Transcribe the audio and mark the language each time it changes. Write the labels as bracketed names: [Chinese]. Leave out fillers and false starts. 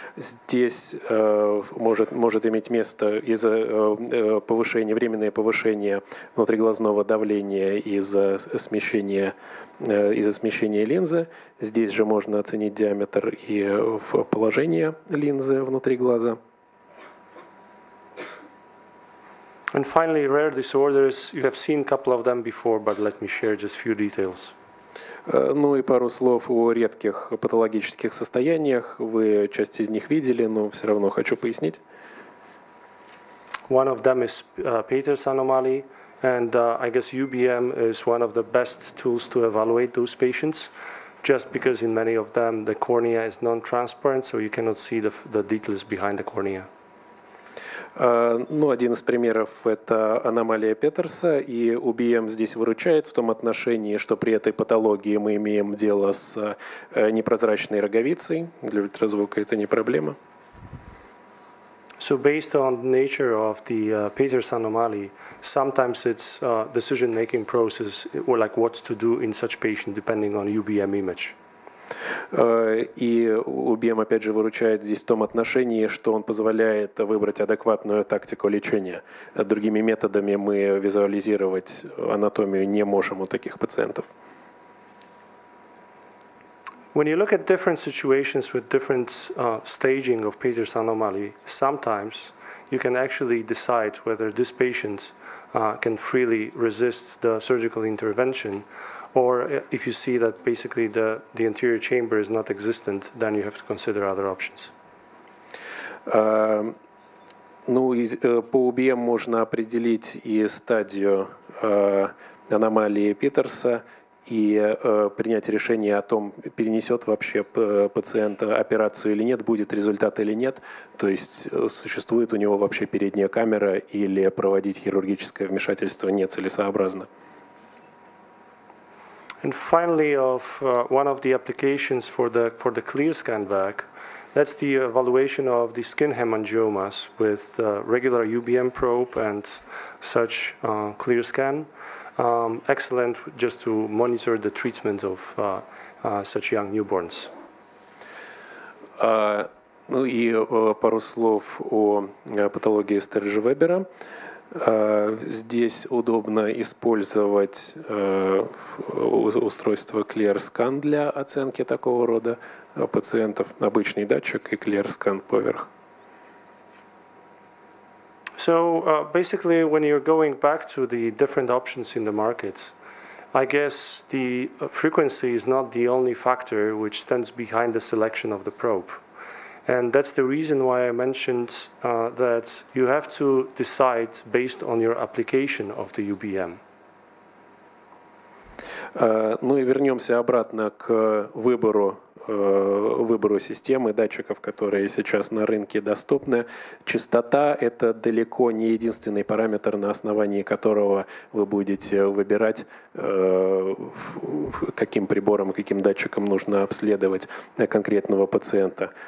[Russian] Здесь может иметь место из-за временное повышение внутриглазного давления из-за смещения линзы. Здесь же можно оценить диаметр и положение линзы внутри глаза. [English] And finally, rare disorders. You have seen a couple of them before, but let me share just a few details. [Russian] Ну и пару слов о редких патологических состояниях. Вы часть из них видели, но все равно хочу пояснить. [English] One of them is Peters anomaly. And I guess UBM is one of the best tools to evaluate those patients, just because in many of them the cornea is non-transparent, so you cannot see the details behind the cornea. [Russian] Ну, один из примеров – это аномалия Петерса, и UBM здесь выручает в том отношении, что при этой патологии мы имеем дело с непрозрачной роговицей. Для ультразвука это не проблема. [English] So based on the nature of the Peters anomaly, sometimes it's a decision-making process or like what to do in such patient depending on UBM image. [Russian] И UBM опять же выручает здесь в том отношении, что он позволяет выбрать адекватную тактику лечения. Другими методами мы визуализировать анатомию не можем у таких пациентов. [English] When you look at different situations with different staging of Peters anomaly, sometimes you can actually decide whether this patient can freely resist the surgical intervention, or if you see that basically the anterior chamber is not existent, then you have to consider other options. [Russian] По UBM можно определить и стадию аномалии Питерса, и принять решение о том, перенесет вообще пациента операцию или нет, будет результат или нет, то есть существует у него вообще передняя камера или проводить хирургическое вмешательство нецелесообразно. [English] And finally, of one of the applications for the clear scan bag, that's the evaluation of the skin hemangiomas with the regular UBM probe and such clear scan. Excellent just to monitor the treatment of such young newborns. [Russian] Пару слов о патологии Стерджа-Вебера. Здесь удобно использовать устройство ClearScan для оценки такого рода пациентов. Обычный датчик и ClearScan поверх. [English] So basically, when you're going back to the different options in the market, I guess the frequency is not the only factor which stands behind the selection of the probe. And that's the reason why I mentioned that you have to decide based on your application of the UBM. [Russian] Ну и вернемся обратно к выбору системы датчиков, которые сейчас на рынке доступны. Частота – это далеко не единственный параметр, на основании которого вы будете выбирать, каким прибором, каким датчиком нужно обследовать конкретного пациента.